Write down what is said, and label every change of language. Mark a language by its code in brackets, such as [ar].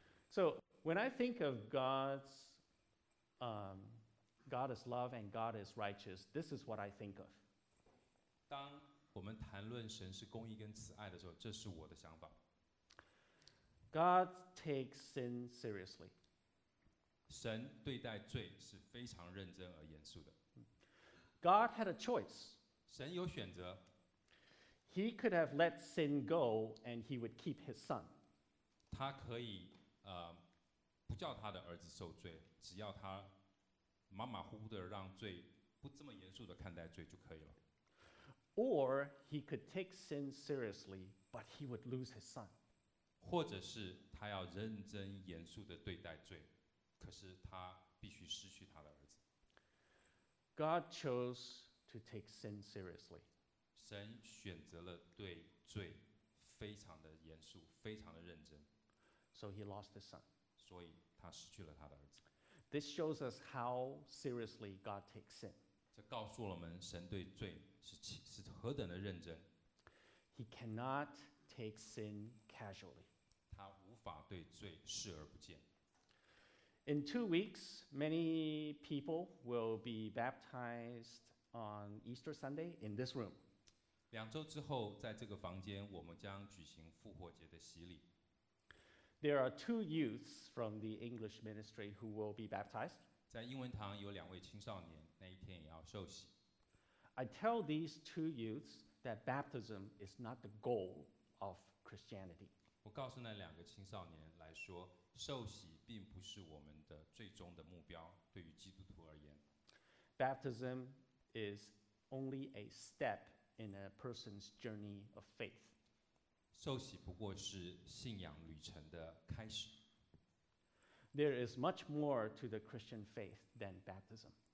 [en] So when I think of God's, God is love and God is righteous, this is what I think of. [zh] 当我们谈论神是公义跟慈爱的时候，这是我的想法。 [en] God takes sin seriously. [zh] 神对待罪是非常认真而严肃的。 [en] God had a choice. [zh] 神有选择。 [en] He could have let sin go and he would keep his son. [zh] 他可以不叫他的儿子受罪，只要他马马虎虎的让罪不这么严肃的看待罪就可以了。 [en] Or he could take sin seriously, but he would lose his son. [zh] 或者是他要认真严肃的对待罪，可是他必须失去他的儿子。 [en] God chose to take sin seriously. [zh] 神选择了对罪非常的严肃，非常的认真。 [en] So he lost his son. [zh] 所以他失去了他的儿子。 [en] This shows us how seriously God takes sin. [zh] 这告诉了我们神对罪是何等的认真。 [en] He cannot take sin casually. [zh] 他无法对罪视而不见。 [en] In 2 weeks, many people will be baptized on Easter Sunday in this room. [zh] 两周之后，在这个房间，我们将举行复活节的洗礼。 [en] There are 2 youths from the English ministry who will be baptized. [zh] 在英文堂有两位青少年，那一天也要受洗。 [en] I tell these 2 youths that baptism is not the goal of Christianity. [zh] 我告诉那两个青少年来说，受洗并不是我们的最终的目标，对于基督徒而言。 [en] Baptism is only a step in a person's journey of faith. [zh] 受洗不过是信仰旅程的开始。 [en] There is much more to the Christian faith than baptism.